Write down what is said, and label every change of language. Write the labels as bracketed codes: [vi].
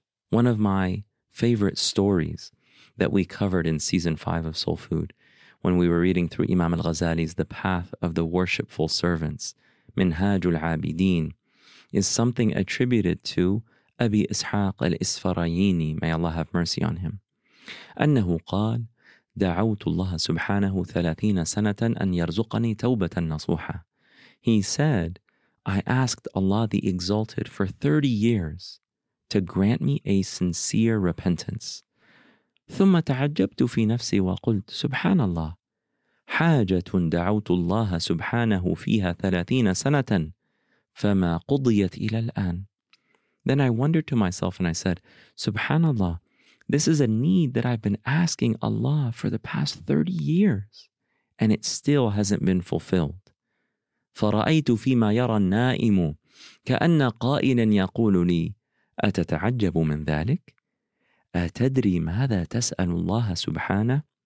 [en] One of my favorite stories that we covered in season 5 of Soul Food, when we were reading through Imam al-Ghazali's The Path of the Worshipful Servants, Minhajul Abideen, is something attributed to Abi Ishaq al-Isfarayini, may Allah have mercy on him. [ar] أنه قال دعوت الله سبحانه 30 سنة أن يرزقني توبة نصوحة. [en] He said, I asked Allah the Exalted for 30 years to grant me a sincere repentance. [ar] ثم تعجبت في نفسي وقلت سبحان الله حاجة دعوت الله سبحانه فيها 30 سنة فما قضيت إلى الآن. [en] Then I wondered to myself and I said, Subhanallah, this is a need that I've been asking Allah for the past 30 years and it still hasn't been fulfilled. [ar] فَرَأَيْتُ فِي مَا يَرَى النَّائِمُ كَأَنَّ قَائِلًا يَقُولُ لِي أَتَتَعَجَّبُ مِنْ ذَلِكَ أَتَدْرِي مَاذَا تَسْأَلُ اللَّهَ سُبْحَانَهُ.